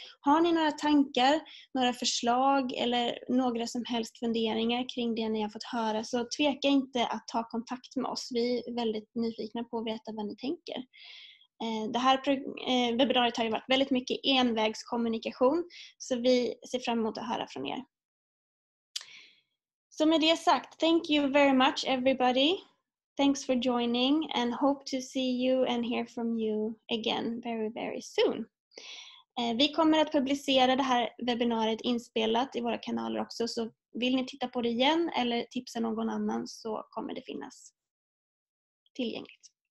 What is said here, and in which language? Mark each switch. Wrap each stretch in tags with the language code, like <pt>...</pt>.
<sv>Har ni några tankar, några förslag eller några som helst funderingar kring det ni har fått höra, så tveka inte att ta kontakt med oss. Vi är väldigt nyfikna på att veta vad ni tänker. Det här webbinariet har ju varit väldigt mycket envägskommunikation, så vi ser fram emot att höra från er. Så med det sagt,</sv> <en>thank you very much everybody. Thanks for joining and hope to see you and hear from you again very, very soon.</en> <sv>Vi kommer att publicera det här webbinariet inspelat i våra kanaler också. Så vill ni titta på det igen eller tipsa någon annan så kommer det finnas tillgängligt.</sv>